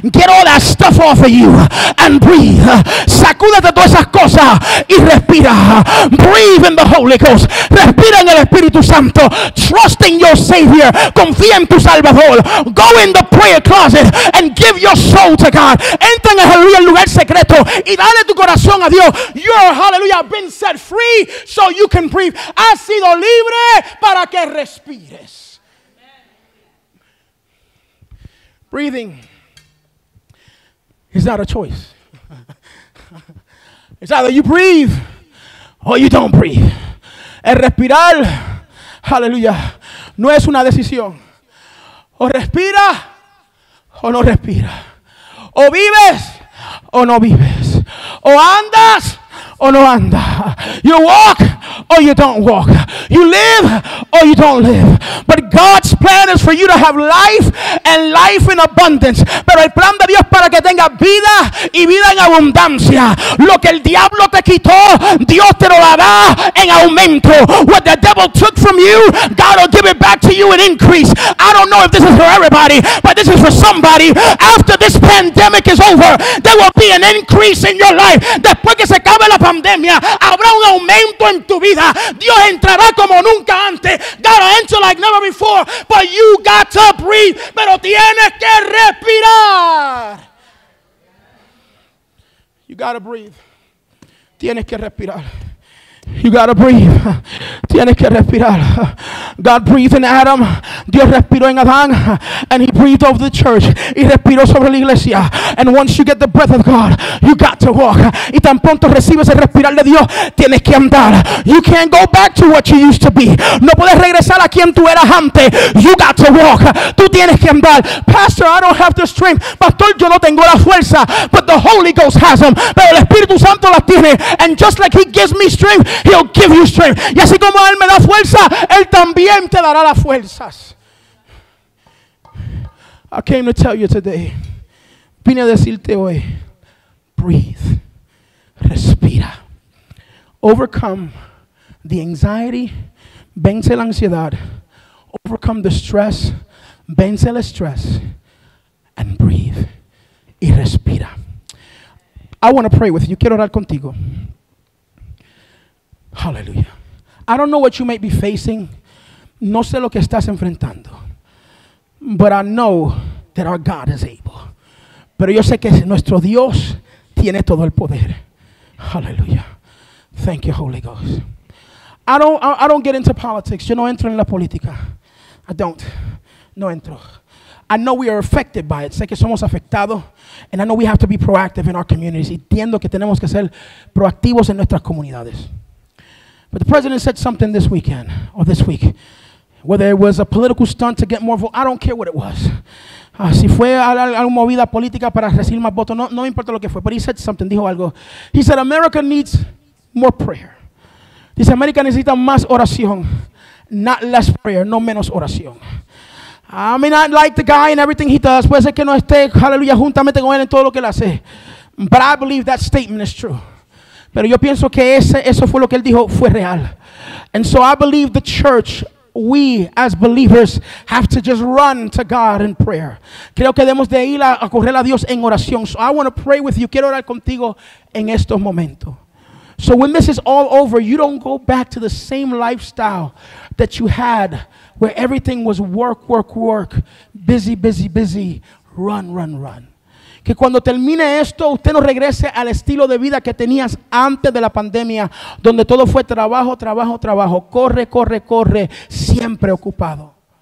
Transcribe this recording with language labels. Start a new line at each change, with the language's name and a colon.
English: Get all that stuff off of you and breathe.
Spanish: Sacúdete todas esas cosas y respira.
English: Breathe in the Holy Ghost.
Spanish: Respira en el Espíritu Santo.
English: Trust in your Savior.
Spanish: Confía en tu Salvador.
English: Go in the prayer closet and give your soul to God.
Spanish: Entra en el lugar secreto y dale tu corazón a Dios.
English: Your hallelujah has been set free so you can breathe.
Spanish: Has sido libre para que respires.
English: Breathing is not a choice. It's either you breathe or you don't breathe.
Spanish: El respirar, hallelujah, no es una decisión. O respira o no respira. O vives o no vives. O andas o no andas.
English: You walk or you don't walk. You live or you don't live. But God's plan is for you to have life and life in abundance.
Spanish: Pero el plan de Dios para que tengas vida y vida en abundancia. Lo que el diablo te quitó, Dios te lo dará en aumento.
English: What the devil took from you, God will give it back to you in increase. I don't know if this is for everybody, but this is for somebody. After this pandemic is over, there will be an increase in your life.
Spanish: Después que se acabe la pandemia, habrá un aumento en tu vida. Dios entrará como nunca antes.
English: God will enter like never before. But you got to breathe.
Spanish: Pero tienes que respirar.
English: You got to breathe.
Spanish: Tienes que respirar.
English: You gotta breathe.
Spanish: Tienes que respirar.
English: God breathed in Adam.
Spanish: Dios respiró en Adán.
English: And he breathed over the church.
Spanish: Y respiró sobre la iglesia.
English: And once you get the breath of God, you got to walk.
Spanish: Y tan pronto recibes el respirar de Dios, tienes que andar.
English: You can't go back to what you used to be.
Spanish: No puedes regresar a quien tú eras antes.
English: You got to walk.
Spanish: Tú tienes que andar.
English: Pastor, I don't have the strength.
Spanish: Pastor, yo no tengo la fuerza.
English: But the Holy Ghost has them.
Spanish: Pero el Espíritu Santo las tiene.
English: And just like he gives me strength, he'll give you strength.
Spanish: Y así como Él me da fuerza, Él también te dará las fuerzas.
English: I came to tell you today.
Spanish: Vine a decirte hoy.
English: Breathe.
Spanish: Respira.
English: Overcome the anxiety.
Spanish: Vence la ansiedad.
English: Overcome the stress.
Spanish: Vence el estrés.
English: And breathe.
Spanish: Y respira.
English: I want to pray with you.
Spanish: Quiero orar contigo.
English: Hallelujah. I don't know what you may be facing.
Spanish: No sé lo que estás enfrentando.
English: But I know that our God is able. Pero yo sé que nuestro Dios tiene todo el poder. Hallelujah. Thank you, Holy Ghost. I don't get into politics.
Spanish: Yo no entro en la política.
English: I don't.
Spanish: No entro.
English: I know we are affected by it.
Spanish: Sé que somos afectados.
English: And I know we have to be proactive in our communities.
Spanish: Entiendo que tenemos que ser proactivos en nuestras comunidades.
English: But the president said something this weekend, or this week, whether it was a political stunt to get more votes, I don't care what it was.
Spanish: Si fue alguna movida política para recibir más votos, no importa lo que fue,
English: but he said something,
Spanish: dijo algo.
English: He said, America needs more prayer.
Spanish: Dice, América necesita más oración,
English: not less prayer,
Spanish: no menos oración.
English: I may not like the guy and everything he does,
Spanish: puede ser que no esté, hallelujah, juntamente con él en todo lo que él hace.
English: But I believe that statement is true.
Spanish: Pero yo pienso que eso fue lo que él dijo, fue real.
English: And so I believe the church, we as believers, have to just run to God in prayer.
Spanish: Creo que debemos de ir a correr a Dios en oración.
English: So I want to pray with you.
Spanish: Quiero orar contigo en estos momentos.
English: So when this is all over, you don't go back to the same lifestyle that you had where everything was work, work, work, busy, busy, busy, run, run, run.
Spanish: Que cuando termine esto, usted no regrese al estilo de vida que tenías antes de la pandemia, donde todo fue trabajo, trabajo, trabajo, corre, corre, corre, siempre ocupado.